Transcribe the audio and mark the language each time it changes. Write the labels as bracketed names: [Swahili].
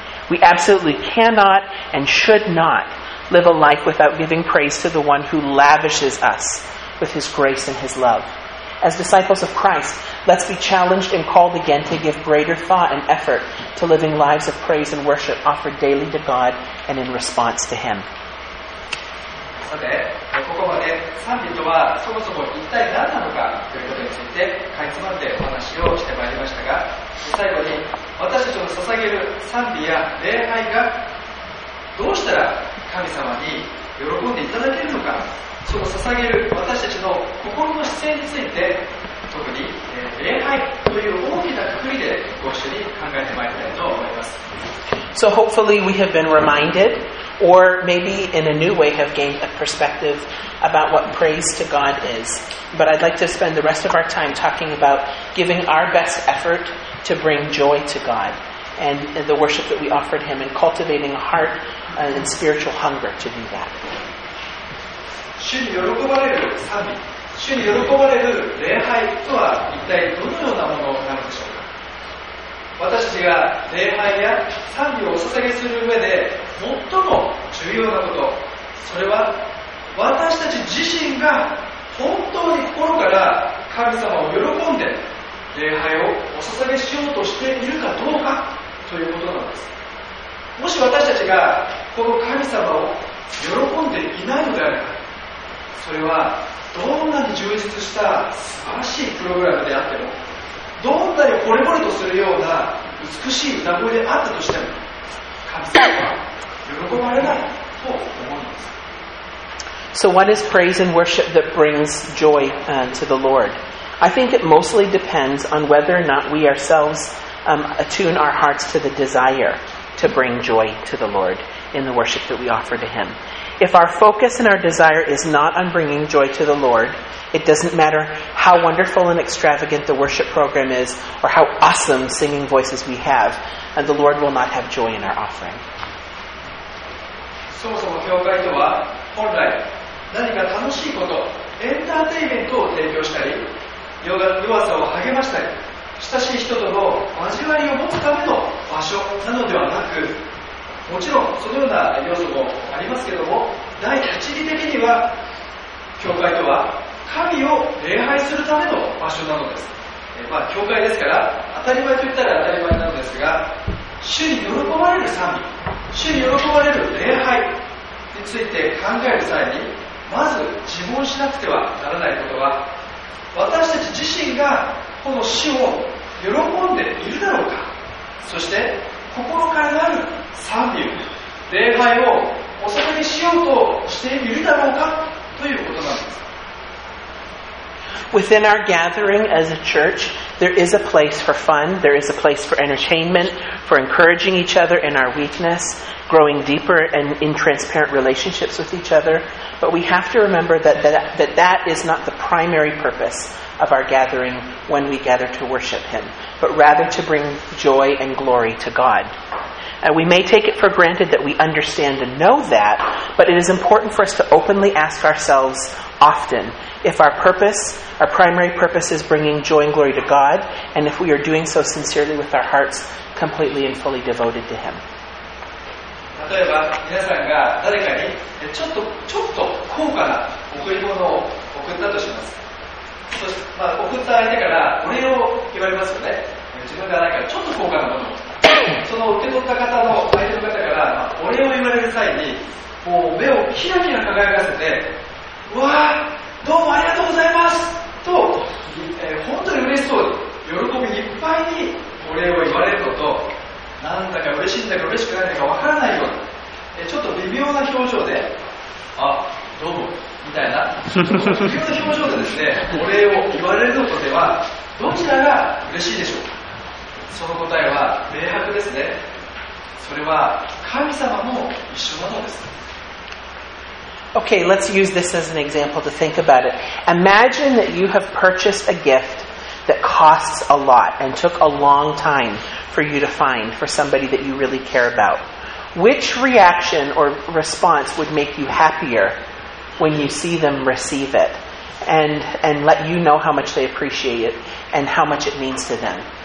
[English] We absolutely cannot and should not live a life without giving praise to the one who lavishes us with his grace and his love. As disciples of Christ, let's be challenged and called again to give greater thought and effort to living lives of praise and worship offered daily to God and in response to him. [Japanese] さて、ここまで賛美とはそもそも一体何なのかということについてかいつまんでお話をしてまいりましたが、最後に私たちの捧げる賛美や礼拝がどうしたら神様に喜んでいただけるのか、その捧げる私たちの心の姿勢について、特に礼拝という大きな括りでご一緒に考えてまいりたいと思います。 [English] So hopefully we have been reminded, or maybe in a new way have gained a perspective about what praise to God is. But I'd like to spend the rest of our time talking about giving our best effort to bring joy to God and the worship that we offered Him, and cultivating a heart and spiritual hunger to do that. [Japanese] 主に喜ばれる賛美、主に喜ばれる礼拝とは一体どのようなものなのでしょうか。私たちが礼拝や賛美をお捧げする上で最も重要なこと、それは私たち自身が本当に心から神様を喜んで礼拝をお捧げしようとしているかどうかということなんです。もし私たちがこの神様を喜んでいないのであれば、それはどんなに充実した素晴らしいプログラムであっても、どんなに惚れ惚れとするような美しい歌声であったとしても、神様は喜ばれないと思うんです。 [English] So what is praise and worship that brings joy to the Lord? I think it mostly depends on whether or not we ourselves attune our hearts to the desire to bring joy to the Lord in the worship that we offer to Him. If our focus and our desire is not on bringing joy to the Lord, it doesn't matter how wonderful and extravagant the worship program is, or how awesome singing voices we have, and the Lord will not have joy in our offering. [Japanese] そもそも教会とは本来何か楽しいこと、エンターテイメントを提供したり、弱さを励ましたり、親しい人との交わりを持つための場所なのではなく、もちろんそのような要素もありますけれども、第一義的には教会とは神を礼拝するための場所なのです。教会ですから当たり前といったら当たり前なのですが、主に喜ばれる賛美、主に喜ばれる礼拝について考える際に、まず自問しなくてはならないことは、私たち自身がこの主を喜んでいるだろうか、そして心からなる賛美、礼拝をお捧げしようとしているだろうかということなんです。 [English] Within our gathering as a church, there is a place for fun, there is a place for entertainment, for encouraging each other in our weakness, growing deeper and in transparent relationships with each other. But we have to remember that is not the primary purpose of our gathering when we gather to worship Him, but rather to bring joy and glory to God. And we may take it for granted that we understand and know that, but it is important for us to openly ask ourselves often if our purpose, our primary purpose, is bringing joy and glory to God, and if we are doing so sincerely with our hearts completely and fully devoted to Him. [Japanese] 例えば皆さんが誰かにちょっと高価な贈り物を送ったとします。そして、送った相手からお礼を言われますよね。自分が何かちょっと高価なものを、その受け取った方の相手の方から、お礼を言われる際に、もう目をキラキラ輝かせて、うわーどうもありがとうございますと、本当に嬉しそうに喜びいっぱいにお礼を言われるのと、なんだか嬉しいんだか嬉しくないんだかわからないような、ちょっと微妙な表情で、あ、どうもみたいな微妙な表情でですね、お礼を言われるのとではどちらが嬉しいでしょうか。その答えは明白ですね。それは神様も一緒なのです。 [English] Okay, let's use this as an example to think about it. Imagine that you have purchased a gift that costs a lot and took a long time for you to find for somebody that you really care about. Which reaction or response would make you happier when you see them receive it and let you know how much they appreciate it and how much it means to them?